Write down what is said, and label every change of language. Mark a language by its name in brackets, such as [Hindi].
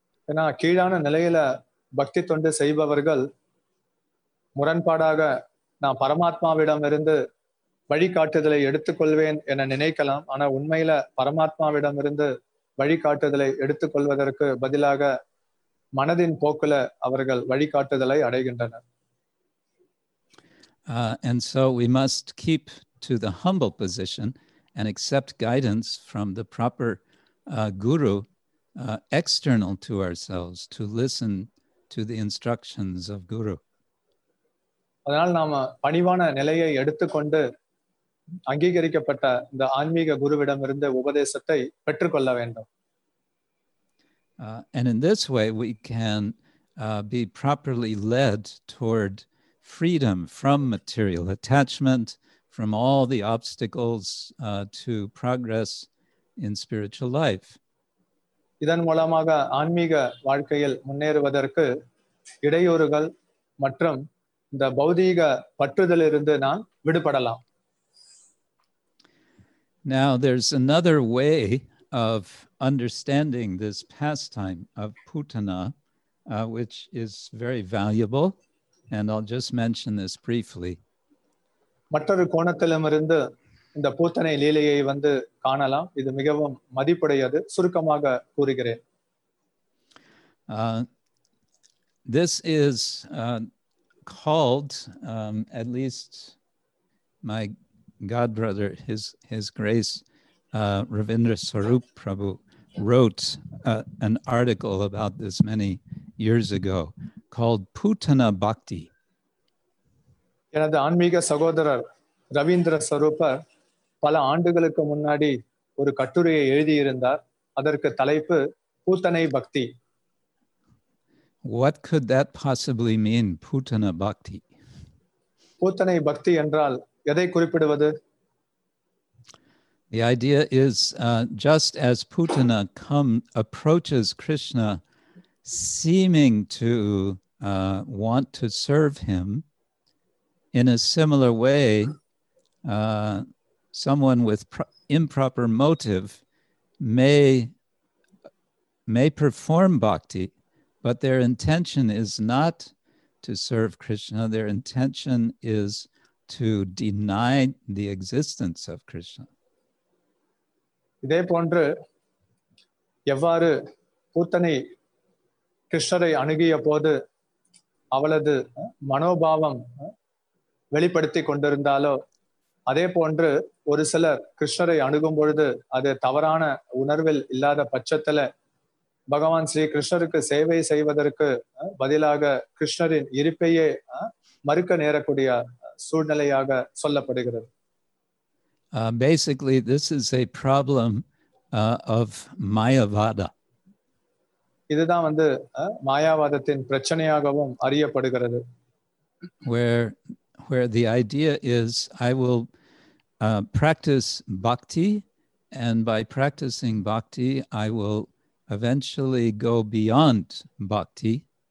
[Tamil] ஏன்னா கீழான நிலையில பக்தி தொண்டு செய்பவர்கள் முரண்பாடாக நான் பரமாத்மாவிடம் இருந்து வழிகாட்டுதலை எடுத்துக்கொள்வேன் என நினைக்கலாம். ஆனா உண்மையில பரமாத்மாவிடம் இருந்து வழிகாட்டுதலை எடுத்துக்கொள்வதற்கு பதிலாக மனதின் போக்குல அவர்கள் வழிகாட்டுதலை அடைகின்றனர். [English] And so we must keep to the humble position and accept guidance from the proper guru external to ourselves, to listen to the instructions of guru. [Tamil] அதனால் நாம பணிவான நிலையை எடுத்துக்கொண்டு அங்கீகரிக்கப்பட்ட இந்த ஆன்மீக குருவிடமிருந்து உபதேசத்தை பெற்றுக்கொள்ள வேண்டும். [English] And in this way, we can be properly led toward freedom from material attachment, from all the obstacles to progress in spiritual life. [Tamil] இதன் மூலமாக ஆன்மீக வாழ்க்கையில் முன்னேறுவதற்கு இடையூறுகள் மற்றும் இந்த பௌதீக பற்றுதலிலிருந்து நான் விடுபடலாம். [English] Now there's another way of understanding this pastime of putana, which is very valuable, and I'll just mention this briefly. [Tamil] மற்றொரு கோணத்திலிருந்து இந்த பூத்தனை லீலையை வந்து காணலாம். இது மிகவும் மதிப்புடையது. சுருக்கமாக கூறுகிறேன். [English] This is called, at least my god brother, his grace, Ravindra Swarup Prabhu, wrote an article about this many years ago called Putana Bhakti. [Tamil] எனது ஆன்மீக சகோதரர் ரவீந்திர ஸ்வரூபர் பல ஆண்டுகளுக்கு முன்னாடி ஒரு கட்டுரையை எழுதியிருந்தார். அதற்கு தலைப்பு பூத்தனை பக்தி. [English] What could that possibly mean, Putana Bhakti? [Tamil] பூத்தனை பக்தி என்றால் எதை குறிப்பிடுவது? [English] The idea is just as Putana approaches Krishna seeming to want to serve him, in a similar way, someone with improper motive may perform bhakti, but their intention is not to serve Krishna. Their intention is to deny the existence of Krishna. [Tamil] இதே போன்று எவ்வாறு பூத்தனை கிருஷ்ணரை அணுகிய போது அவளது மனோபாவம் வெளிப்படுத்தி கொண்டிருந்தாலோ அதே போன்று ஒரு சிலர் கிருஷ்ணரை அணுகும் பொழுது அது தவறான உணர்வில் இல்லாத பட்சத்துல பகவான் ஸ்ரீ கிருஷ்ணருக்கு சேவை செய்வதற்கு பதிலாக கிருஷ்ணரின் இருப்பையே மறுக்க நேரக்கூடிய சூழ்நிலையாக சொல்லப்படுகிறது. [English] Basically, this is a problem of Mayavada. [Tamil] இதுதான் வந்து மாயாவாதத்தின் பிரச்சனையாகவும் அறியப்படுகிறது. [English] Where the idea is, I will practice bhakti, and by practicing bhakti, I will eventually go beyond bhakti.